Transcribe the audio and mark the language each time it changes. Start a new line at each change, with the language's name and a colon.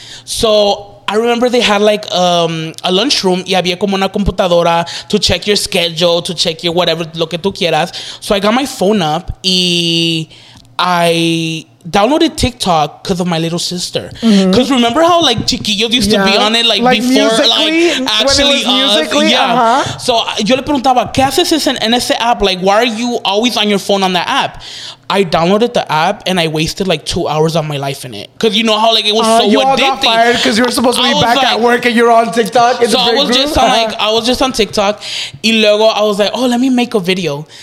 English: So I remember they had like a lunchroom
Spanish: y había como una computadora
English: to check your schedule, to check your whatever,
Spanish: lo que tú quieras.
English: So I got my phone up and I downloaded TikTok because of my little sister. Because remember how like chiquillos used to be on it, like before, Musical.ly, like actually when it was Musical.ly, yeah. Uh-huh.
Spanish: So yo le preguntaba, ¿qué haces en ese app?
English: Like, why are you always on your phone on that app? I downloaded the app and I wasted like 2 hours of my life in it. Because you know how like it was so addicting. You all got fired because you were supposed to be back at work and you're on TikTok. So I was just on, like, I was just on TikTok. And luego I was like, oh, let me make a video.